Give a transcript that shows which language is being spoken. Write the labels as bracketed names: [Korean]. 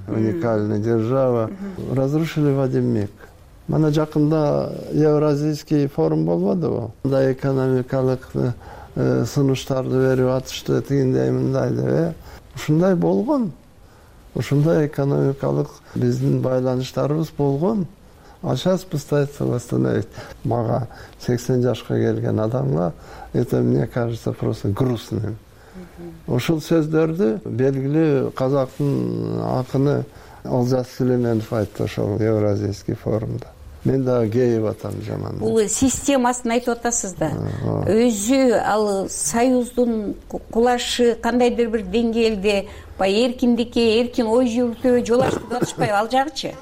[Russian] Уникальная держава. Разрушили в один миг. [Kyrgyz] Мана жакында евразийский форум болбодубу? Мындай экономикалык сунуштарды берип атышты, тигиндей мындай деп. Ушундай болгон. Ушундай экономикалык биздин байланыштарыбыз болгон. [Russian] А сейчас пытается восстановить [Kyrgyz] мага 80 жашка келген адамга, [Russian] это мне кажется просто грустным. [Kyrgyz] Ошол сөздөрдү белгилүү казактын акыны Алжас Сүлейменов айтты ошол евразийский форумда. Мен да кейип атам жаман. Бул системасын айтып атасыз да. Өзү ал союздун кулашы кандайдыр бир деңгээлде бай эркиндикке эркин ой жүрүүгө жол ачып атышпайбы ал жагычы?